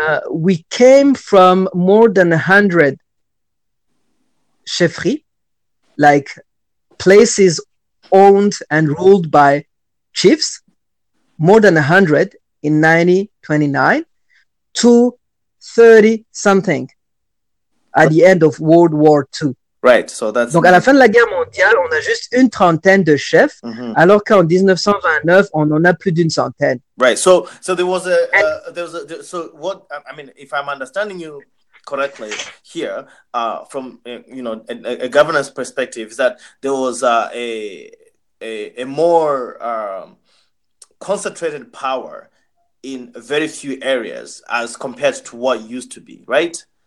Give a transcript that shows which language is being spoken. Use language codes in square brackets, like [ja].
[en] we came from more than 100 chefferies, like places owned and ruled by chiefs, more than 100 in 1929, to 30-something. At the end of World War II. Right. So that's [fr] donc à la fin de la guerre mondiale, on a juste une trentaine de chefs, mm-hmm. alors qu'en 1929, on en a plus d'une centaine. [en] Right. So there was a so what I mean, if I'm understanding you correctly here, from you know a governance perspective, is that there was a more concentrated power in very few areas as compared to what used to be, right?